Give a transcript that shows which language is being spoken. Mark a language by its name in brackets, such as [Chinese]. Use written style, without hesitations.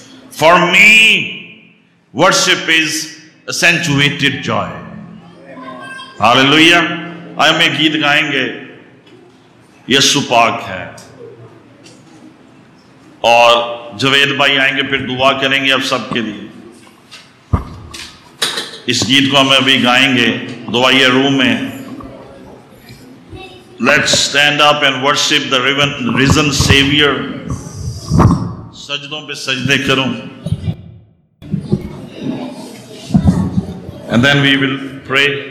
[English] For me, worship is accentuated joy. Hallelujah. [Urdu] آج ہم ایک گیت گائیں گے, یسوع پاک ہے, اور جاوید بھائی آئیں گے, پھر دعا کریں گے آپ سب کے لیے. اس گیت کو ہم ابھی گائیں گے, دعائیے روم میں. [English] Let's stand up and worship the risen Savior. [Urdu] سجدوں پہ سجدے کروں, [English] and then we will pray.